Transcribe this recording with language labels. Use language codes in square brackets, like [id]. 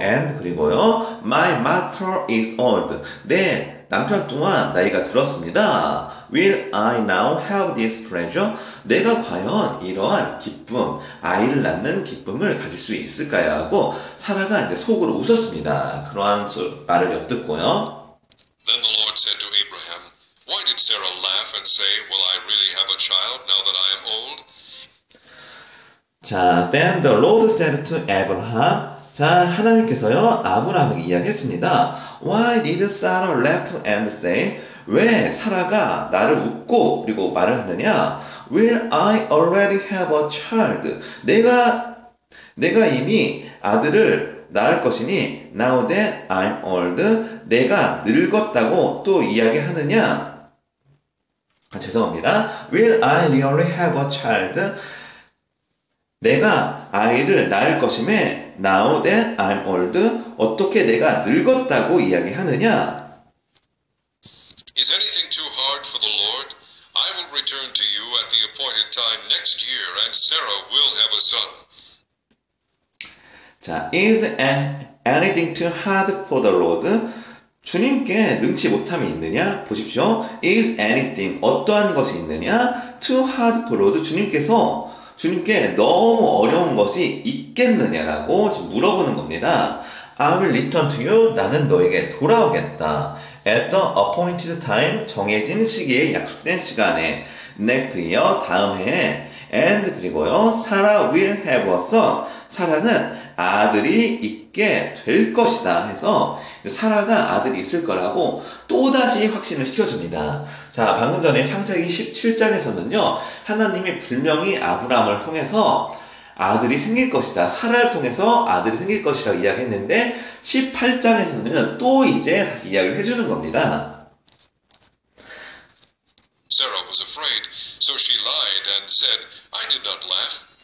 [en] And, [ko] 그리고요, [en] my master is old. [ko] 내 남편 또한 나이가 들었습니다. [en] Will I now have this pleasure? [ko] 내가 과연 이러한 기쁨, 아이를 낳는 기쁨을 가질 수 있을까요? 하고, 사라가 이제 속으로 웃었습니다. 그러한 말을 엿듣고요. [en] Then the Lord said to Abraham, Why did Sarah laugh and say, Will I really have a child now that I am old? 자, then the Lord said to Abraham. [ko] 자, 하나님께서요, 아브라함에게 이야기했습니다. [en] Why did Sarah laugh and say, [ko] 왜 사라가 나를 웃고 그리고 말을 하느냐? [en] Will I already have a child? [ko] 내가 이미 아들을 낳을 것이니, [en] now that I'm old, [ko] 내가 늙었다고 또 이야기하느냐? 아, 죄송합니다. [en] Will I really have a child? [ko] 내가 아이를 낳을 것임에, [en] now that I'm old, [ko] 어떻게 내가 늙었다고 이야기하느냐? [en] Is anything too hard for the Lord? I will return to you at the appointed time next year, and Sarah will have a son. 자, is anything too hard for the Lord? [ko] 주님께 능치 못함이 있느냐? 보십시오. [en] Is anything, [ko] 어떠한 것이 있느냐? [en] Too hard for the Lord. [ko] 주님께 너무 어려운 것이 있겠느냐라고 지금 물어보는 겁니다. [en] I will return to you. [ko] 나는 너에게 돌아오겠다. [en] At the appointed time, [ko] 정해진 시기에, 약속된 시간에. [en] Next year, [ko] 다음 해에. [en] And, [ko] 그리고요, [en] Sarah will have a son. [ko] 사라는 아들이 있게 될 것이다 해서 사라가 아들이 있을 거라고 또다시 확신을 시켜줍니다. 자, 방금 전에 창세기 17장에서는요, 하나님이 분명히 아브라함을 통해서 아들이 생길 것이다, 사라를 통해서 아들이 생길 것이라고 이야기했는데, 18장에서는 또 이제 다시 이야기를 해주는 겁니다. [en] Sarah was afraid, so she lied and said, I did not laugh.